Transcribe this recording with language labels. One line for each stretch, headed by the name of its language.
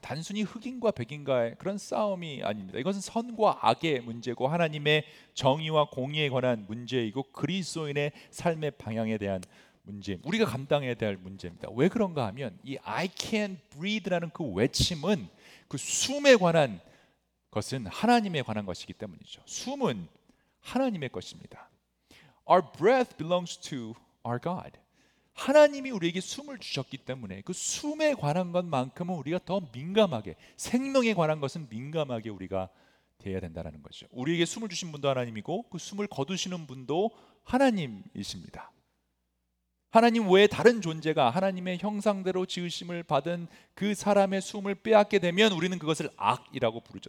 Korean: 단순히 흑인과 백인과의 그런 싸움이 아닙니다. 이것은 선과 악의 문제고 하나님의 정의와 공의에 관한 문제이고 그리스도인의 삶의 방향에 대한 문제, 우리가 감당해야 될 문제입니다. 왜 그런가 하면 이
English: I can't breathe
Korean: 라는 그 외침은 그 숨에 관한 것은 하나님에 관한 것이기 때문이죠. 숨은 하나님의 것입니다.
English: Our breath belongs to our God.
Korean: 하나님이 우리에게 숨을 주셨기 때문에 그 숨에 관한 것만큼은 우리가 더 민감하게, 생명에 관한 것은 민감하게 우리가 돼야 된다는 거죠. 우리에게 숨을 주신 분도 하나님이고 그 숨을 거두시는 분도 하나님이십니다. 하나님 외에 다른 존재가 하나님의 형상대로 지으심을 받은 그 사람의 숨을 빼앗게 되면 우리는 그것을 악이라고 부르죠.